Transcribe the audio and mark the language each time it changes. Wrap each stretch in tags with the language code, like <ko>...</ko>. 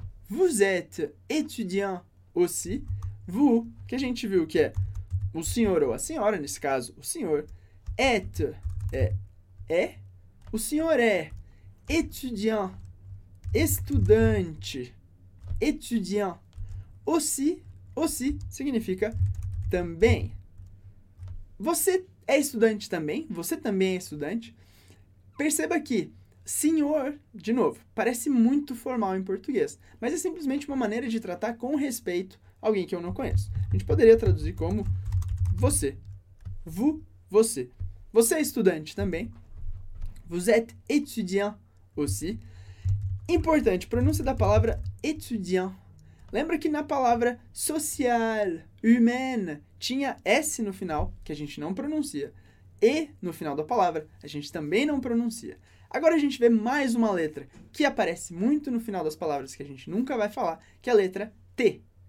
<fr>Vous êtes étudiant aussi?</fr> <pt>Vous, que a gente viu que é o senhor ou a senhora, nesse caso, o senhor. Et é. O senhor é étudiant, estudante. Étudiant. Aussi significa também. Você é estudante também? Você também é estudante? Perceba que senhor, de novo, parece muito formal em português, mas é simplesmente uma maneira de tratar com respeito alguém que eu não conheço. A gente poderia traduzir como você. Vous, você. Você é estudante também.</pt> <fr>Vous êtes étudiant aussi.</fr> <pt>Importante, pronúncia da palavra étudiant. Lembra que na palavra social, humaine, tinha S no final, que a gente não pronuncia. E no final da palavra, a gente também não pronuncia. Agora a gente vê mais uma letra que aparece muito no final das palavras que a gente nunca vai falar, que é a letra T.</pt>